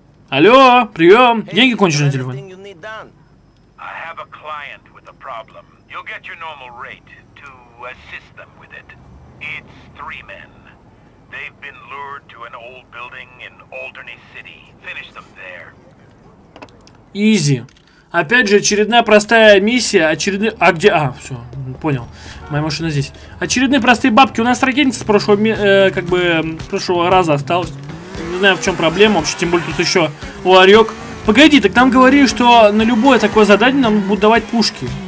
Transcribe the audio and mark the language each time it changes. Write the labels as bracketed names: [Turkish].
[Russian] Алло, прием. Деньги кончились на телефоне. [English] I have a client with a problem. You'll get your normal rate to assist them with it. It's three men. They've been lured to an old building in Alderney City. Finish them there. Easy. [Russian] Опять же, очередная простая миссия, очередные... А где... А, все, понял. Моя машина здесь. Очередные простые бабки. У нас ракетница с прошлого... прошлого раза осталась. Не знаю, в чем проблема. Вообще, тем более, тут еще ларек. Погоди, так нам говорили, что на любое такое задание нам будут давать пушки.